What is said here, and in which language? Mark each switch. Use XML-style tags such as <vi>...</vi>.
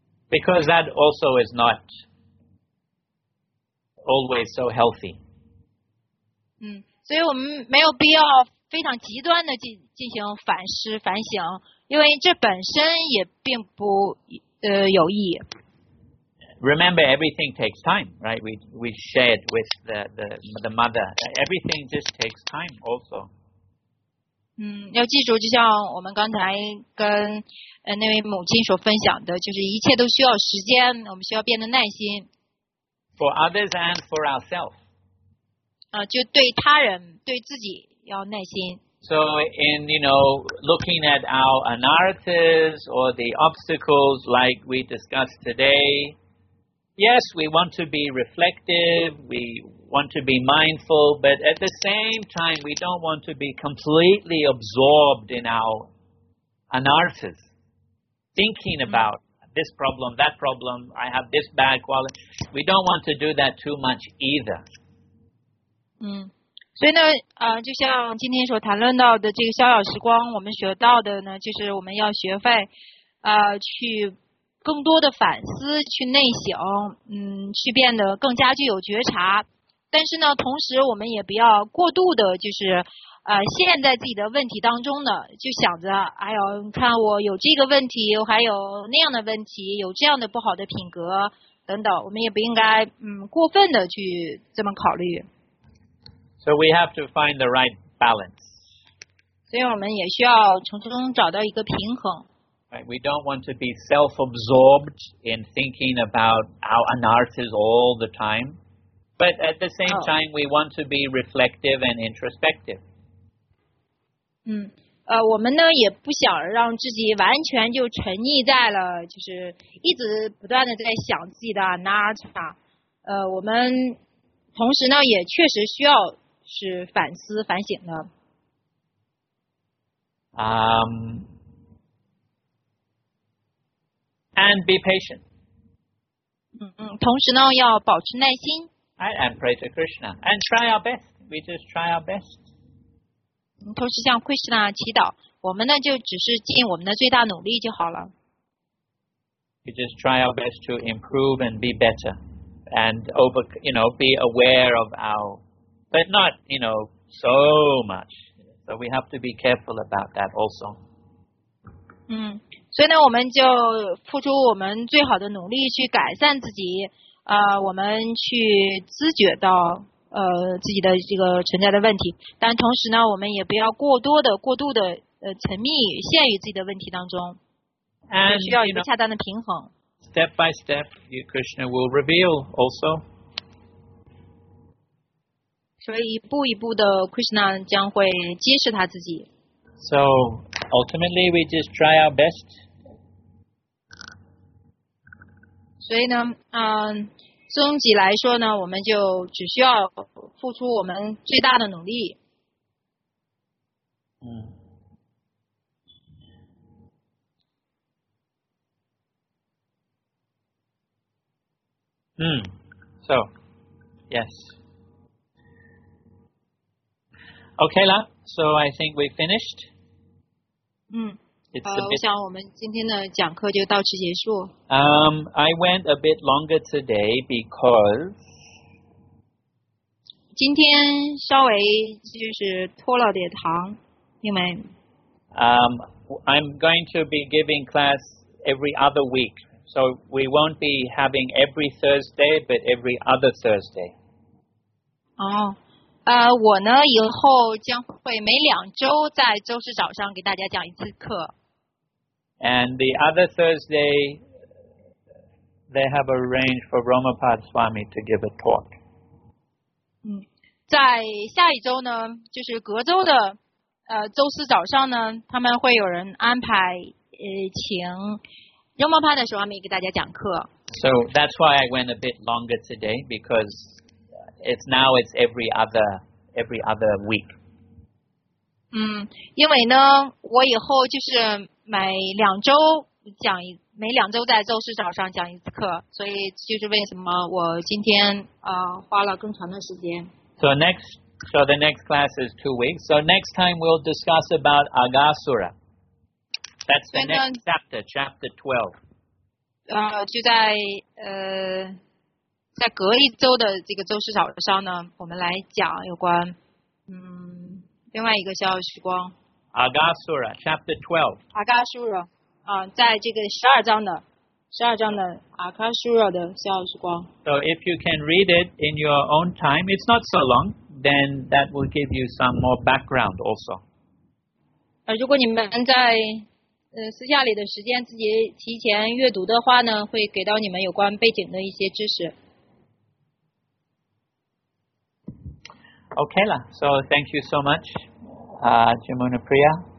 <en>Because that also is not always so healthy.</en> <zh>所以我们没有必要非常极端的进行反思反省，因为这本身也并不有益。</zh> <en>Remember, everything takes time, right? We shared with the mother. Everything just takes time, also.</en> <zh>要记住，就像我们刚才跟那位母亲所分享的，就是一切都需要时间，我们需要变得耐心。</zh> <en>For others and for ourselves.</en> <zh>就对他人对自己要耐心。</zh> <en>So in, you know, looking at our anarthas or the obstacles like we discussed today, yes, we want to be reflective, we want to be mindful, but at the same time, we don't want to be completely absorbed in our anarthas, thinking about this problem, that problem, I have this bad quality. We don't want to do that too much either.</en> <zh>所以呢就像今天所谈论到的这个逍遥时光，我们学到的呢就是我们要学会去更多的反思，去内省，去变得更加具有觉察。但是呢同时我们也不要过度的就是陷在自己的问题当中呢，就想着哎呦你看我有这个问题，我还有那样的问题，有这样的不好的品格等等，我们也不应该过分的去这么考虑。</zh> <en>So we have to find the right balance.</en> <zh>所以我们也需要从中找到一个平衡。</zh> <en>Right, we don't want to be self-absorbed in thinking about our anarthas all the time. But at the same time, we want to be reflective and introspective.</en> <zh>我们呢也不想让自己完全就沉溺在了就是一直不断的在想自己的 anartha。我们同时呢也确实需要是反思反省的。</zh> <en>And be patient.</en> <zh>同时呢要保持耐心。</zh> <en>And pray to Krishna. And try our best. We just try our best.</en> <zh>同时向 Krishna 祈祷，我们呢就只是尽我们的最大努力就好了。</zh> <en>We just try our best to improve and be better. And over, you know, be aware of our... But not, you know, so much. So we have to be careful about that also.</en> <zh>所以呢我们就付出我们最好的努力去改善自己，我们去知觉到自己的这个存在的问题，但同时呢我们也不要过多的过度的沉迷于陷于自己的问题当中。</zh> <en>And,</en> <zh>需要一个恰当的平衡。</zh> <en>You know, step by step, you, Krishna will reveal also.</en> <zh>所以一步一步的 Krishna 将会揭示他自己。</zh> <en>So, ultimately, we just try our best.</en> <zh>所以呢，终极来说呢，我们就只需要付出我们最大的努力。</zh> <en>So, yes. Okay, la. So I think we finished. I think our today's lecture is finished. I went a bit longer today because</en> <zh>今天稍微就是拖了点堂，因为</zh> <en>I'm going to be giving class every other week, so we won't be having every Thursday, but every other Thursday. Oh.</en> <zh>我呢以后将会每两周在周四早上给大家讲一次课。</zh> <en>And the other Thursday, they have arranged for Ramapad Swami to give a talk.</en> <zh>在下一周呢，就是隔周的周四早上呢，他们会有人安排请 Ramapad Swami 给大家讲课。</zh> <en>So that's why I went a bit longer today because it's now it's every other week.</en> <zh>因为呢，我以后就是每两周讲一。每两周在周四早上讲一次课，所以就是为什么我今天花了更长的时间。</zh> <en>So the next class is 2 weeks. So next time we'll discuss about Agasura. That's the next chapter, chapter 12.</en> <zh>就在在隔一周的这个周四早上呢，我们来讲有关另外一个逍遥时光。</zh> <en>Agasura, chapter 12.</en> <zh>Agasura. 在这个十二章的 Akasura 的逍遥时光。</zh> <en>So if you can read it in your own time, it's not so long, then that will give you some more background also.</en> <zh>如果你们在私下里的时间自己提前阅读的话呢，会给到你们有关背景的一些知识。</zh> <en>Okay, la. So thank you so much, Jamuna Priya.</en>